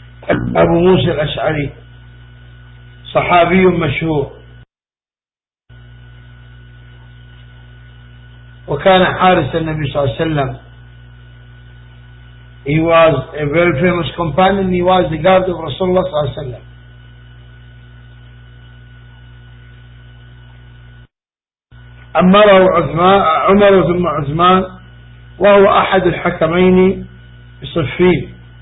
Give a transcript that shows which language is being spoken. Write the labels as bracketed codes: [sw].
[ar] أبو موسى الأشعري صحابي مشهور، وكان حارس النبي صلى الله عليه وسلم. [en] He was a very famous companion. He was the guard of Rasulullah صلى الله عليه وسلم. [ar] أمره عمر ثم عثمان، وهو أحد الحكمين بصفين.